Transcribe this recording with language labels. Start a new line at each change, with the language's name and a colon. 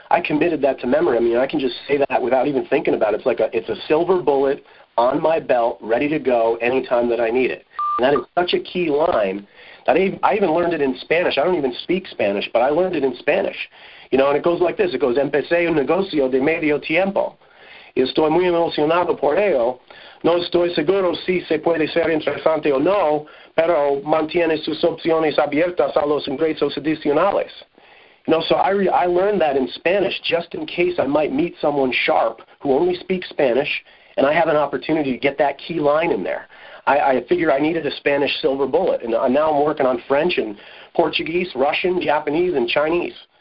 English: I committed that to memory. I mean, I can just say that without even thinking about it. It's like it's a silver bullet on my belt, ready to go anytime that I need it. And that is such a key line that I even learned it in Spanish. I don't even speak Spanish, but I learned it in Spanish. You know, and it goes like this. It goes,
Spanish: empecé un negocio de medio tiempo. Estoy muy emocionado por ello. No estoy seguro si se puede ser interesante o no, pero mantiene sus opciones abiertas a los ingresos adicionales.
English: You know, so I learned that in Spanish just in case I might meet someone sharp who only speaks Spanish and I have an opportunity to get that key line in there. I figured I needed a Spanish silver bullet, and now I'm working on French and Portuguese, Russian, Japanese, and Chinese.